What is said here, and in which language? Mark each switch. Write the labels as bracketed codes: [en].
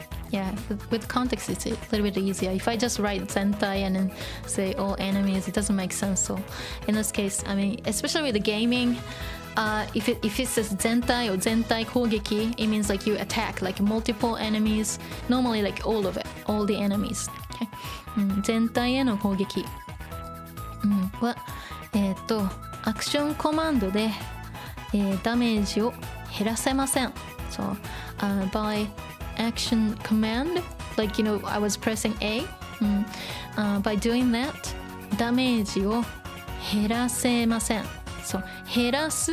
[en] Yeah, with context, it's a little bit easier. If I just write 全体 and then say all enemies, it doesn't make sense. So in this case, I mean, especially with the gaming,if it says 全体 or 全体攻撃, it means like you attack like multiple enemies, normally like all of it, all the enemies. Okay. [ja] 全体への攻撃。は、アクションコマンドで、ダメージを減らせません。 [en] So, by... action command like you know I was pressing A by doing that [ja] ダメージを減らせません so 減らす